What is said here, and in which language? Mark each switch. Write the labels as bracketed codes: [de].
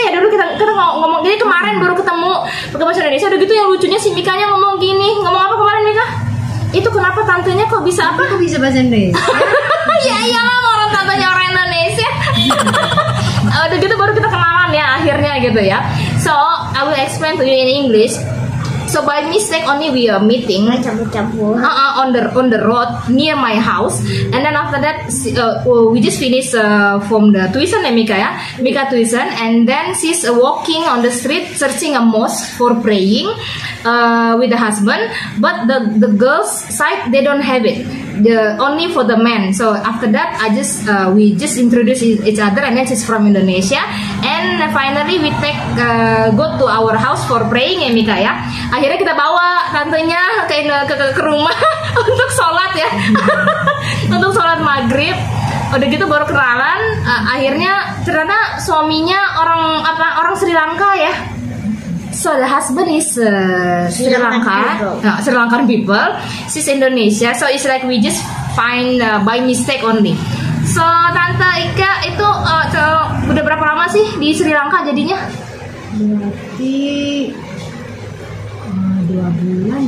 [id] Ya dulu kita ngomong. Jadi kemarin baru ketemu pakai bahasa Indonesia. Udah gitu yang lucunya si Mikanya ngomong gini. Ngomong apa kemarin Mika? Itu kenapa tantenya kok bisa apa? Kok bisa bahasa Indonesia? Ya iyalah orang tantenya orang Indonesia. Udah gitu baru kita kenalan ya akhirnya gitu ya. [en] So, I will explain to you in English. So, by mistake only we are meeting. [id] Campur-campur. [en] On the road near my house. And then after that, we just finish from the tuition ya Mika ya. Mika tuition. And then she's walking on the street searching a mosque for praying. With the husband, but the girls side they don't have it. The only for the men. So after that, we just introduce each other, and then she's from Indonesia. And finally we go to our house for praying, ya Mika ya. [id] Akhirnya kita bawa tantenya ke rumah untuk sholat ya, untuk sholat maghrib. Udah gitu baru kenalan. Akhirnya ternyata suaminya orang Sri Lanka ya. [en] So the husband is Sri Lanka, Sri Lankan people. She's Indonesia. So it's like we just find by mistake only. [id] So Tante Ika itu udah berapa lama sih di Sri Lanka jadinya? Berarti 2 bulan.